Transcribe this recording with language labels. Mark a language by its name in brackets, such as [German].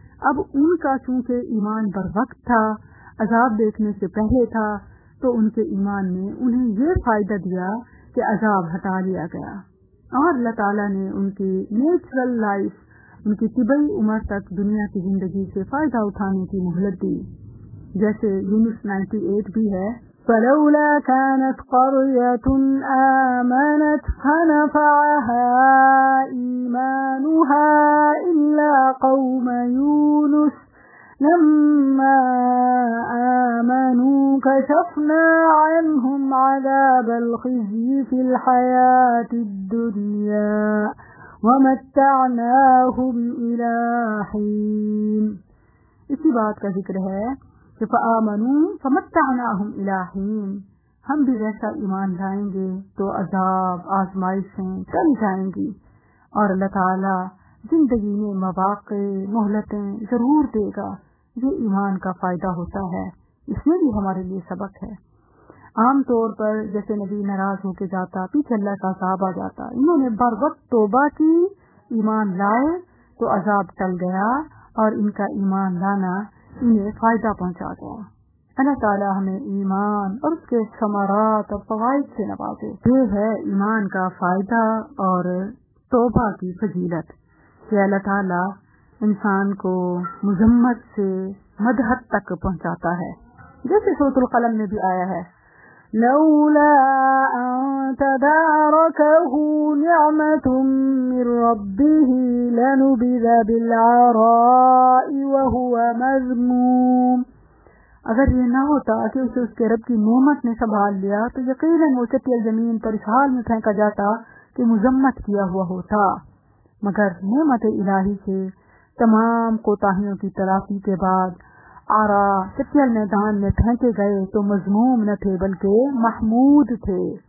[Urdu] اب ان کا چونکہ ایمان بر وقت تھا، عذاب دیکھنے سے پہلے تھا، تو ان کے ایمان نے انہیں یہ فائدہ دیا کہ عذاب ہٹا لیا گیا اور اللہ تعالیٰ نے ان کی نیچرل لائف، ان کی طبی عمر تک دنیا کی زندگی سے فائدہ اٹھانے کی مہلت دی. جیسے یونس 98 بھی ہے، [Arabic] فلولا كانت قرية آمنت فنفعها إيمانها إلا قوم يونس لما آمنوا كشفنا عنهم عذاب الخزي في الحياة الدنيا ومتعناهم إلى حين. [Urdu] اسی بات کا ذکر ہے، [Arabic] فَآمَنُوا فَمَتَّعْنَاهُمْ إِلَى حِينٍ، [Urdu] ہم بھی ویسا ایمان لائیں گے تو عذاب آزمائشیں کم جائیں گی اور اللہ تعالیٰ زندگی میں مواقع مہلتیں ضرور دے گا. یہ ایمان کا فائدہ ہوتا ہے، اس میں بھی ہمارے لیے سبق ہے. عام طور پر جیسے نبی ناراض ہو کے جاتا پیچھے اللہ کا عذاب آ جاتا، انہوں نے بر وقت توبہ کی، ایمان لائے تو عذاب ٹل گیا اور ان کا ایمان لانا انہیں فائدہ پہنچا گیا. اللہ تعالیٰ ہمیں ایمان اور اس کے ثمرات اور فوائد سے نوازے. یہ ہے ایمان کا فائدہ اور توبہ کی فضیلت، کہ اللہ تعالیٰ انسان کو مذمت سے مدحت تک پہنچاتا ہے. جیسے سورۃ القلم میں بھی آیا ہے، [Arabic] لولا ان تدارکہ نعمۃ من ربہ لنبذ بالعراء وهو مذموم. [Urdu] اگر یہ نہ ہوتا کہ اسے اس کے رب کی نعمت نے سنبھال لیا تو یقیناً وہ چٹیل زمین پر اس حال میں پھینکا جاتا کہ مذمت کیا ہوا ہوتا، مگر نعمت الہی سے تمام کوتاہیوں کی تلافی کے بعد آرا چٹیل میدان میں پھینکے گئے تو مذموم نہ تھے بلکہ محمود تھے.